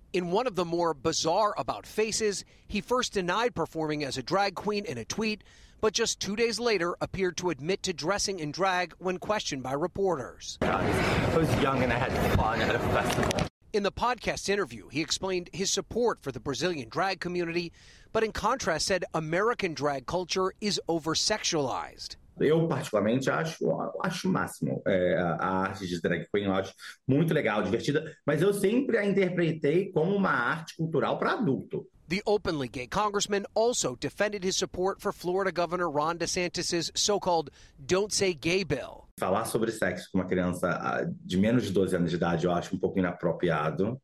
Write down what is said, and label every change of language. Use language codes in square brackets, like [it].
[en] In one of the more bizarre about faces, he first denied performing as a drag queen in a tweet, but just 2 days later appeared to admit to dressing in drag when questioned by reporters. I was young and I had fun at a festival. In the podcast interview, he explained his support for the Brazilian drag community, but in contrast said American drag culture is over-sexualized. [pt] Eu particularmente acho o máximo a arte de drag queen, eu acho muito legal, divertida, mas eu sempre a interpretei como uma arte cultural para adulto. [en] The openly gay congressman also defended his support for Florida Governor Ron DeSantis's so-called Don't Say Gay Bill. [pt] Falar sobre sexo com uma criança de menos de 12 anos de idade, eu acho um pouco inapropriado.